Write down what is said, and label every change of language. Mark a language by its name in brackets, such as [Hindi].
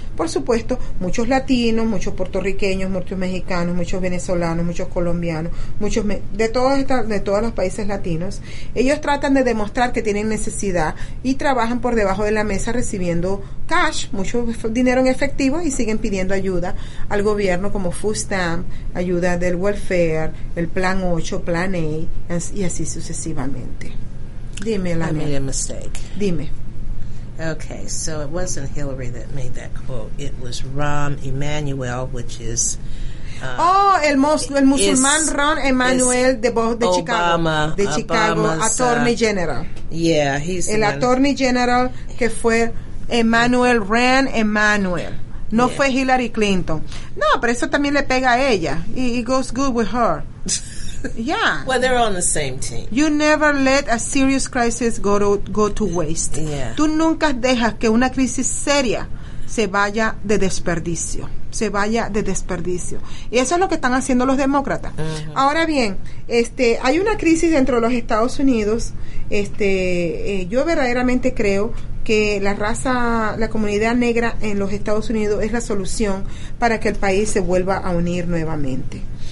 [Spanish] Por supuesto, muchos latinos, muchos puertorriqueños, muchos mexicanos, muchos venezolanos, muchos colombianos, muchos de todos los países latinos, ellos tratan de demostrar que tienen necesidad y trabajan por debajo de la mesa recibiendo cash, mucho dinero en efectivo, y siguen pidiendo ayuda al gobierno como food stamp, ayuda del welfare, el plan 8, plan A, y así sucesivamente. Dime, Lana. [English] I made a mistake. [Spanish] Dime. [English] Okay, so it wasn't Hillary that made that quote. It was Rahm Emanuel, which is... [Spanish] El musulmán Rahm Emanuel de Chicago. Obama. De Chicago, attorney general. [English] Yeah, he's... [Spanish] El attorney general que fue Emanuel, Rahm Emanuel. No fue Hillary Clinton. No, pero eso también le pega a ella. [English] It goes good with her. Yeah. Well, they're on the same team. You never let a serious crisis go to waste. Yeah. [Spanish] Tú nunca dejas que una crisis seria se vaya de desperdicio. Se vaya de desperdicio. Y eso es lo que están haciendo los demócratas. Uh-huh. Ahora bien, hay una crisis dentro de los Estados Unidos. Yo verdaderamente creo que la raza, la comunidad negra en los Estados Unidos es la solución para que el país se vuelva a unir nuevamente.